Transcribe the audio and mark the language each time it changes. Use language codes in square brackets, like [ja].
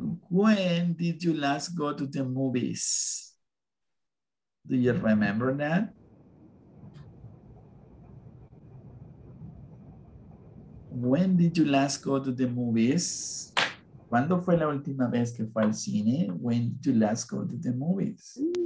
[en] When did you last go to the movies? Do you remember that? When did you last go to the movies? [es] ¿Cuándo fue la última vez que fue al cine? [en] When did you last go to the movies?